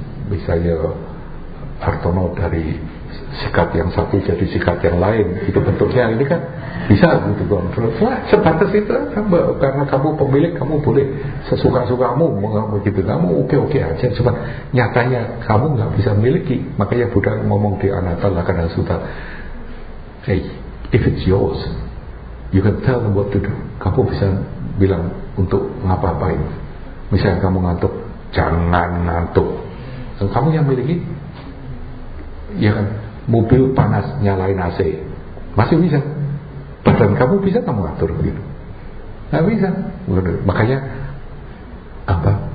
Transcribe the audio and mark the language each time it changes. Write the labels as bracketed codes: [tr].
[id] Misalnya Hartono dari sikat yang satu jadi sikat yang lain, itu bentuknya ini kan bisa untuk kontrol. Nah, sebatas itu kan, karena kamu pemilik, kamu boleh sesuka-sukamu gitu. Kamu oke-oke aja, cuma nyatanya kamu gak bisa miliki. Makanya Buddha ngomong di [en] Anatta Lakkhana Sutta, hey, if it's yours, you can tell them what to do. [id] Kamu bisa bilang untuk ngapa-ngapain. Misalnya kamu ngantuk, jangan ngantuk. Dan kamu yang miliki. Ya kan, mobil panas, nyalain AC, masih bisa. Badan kamu bisa kamu atur gitu. Gak bisa. Makanya apa?